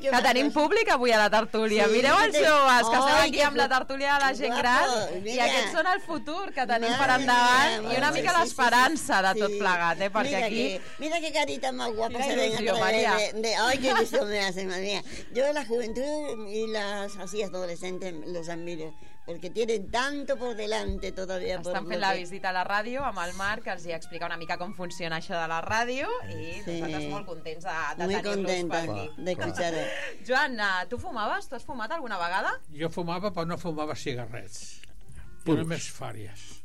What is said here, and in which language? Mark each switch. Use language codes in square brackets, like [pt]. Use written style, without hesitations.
[ca] que tenim públic avui a la tertúlia. Sí, mireu els joves, que esteu aquí amb la tertúlia de la gent gran. I aquests són el futur que tenim per endavant. I una mica l'esperança de tot plegat, perquè aquí... Mira que carita molt guapa. Que il·lusió, Maria. [es] Ai, que il·lusió me hace, Maria. Jo de la juventud y las así adolescentes los admiro porque tienen tanto por delante todavía. [ca] Estan fent la visita a la ràdio amb el Marc, que els hi explica una mica com funciona això de la ràdio i nosaltres molt contents de tenir-los per aquí. Joan, tu fumaves? Tu has fumat alguna vegada? Jo fumava, però no fumava cigarrets. Puros. Només fàries.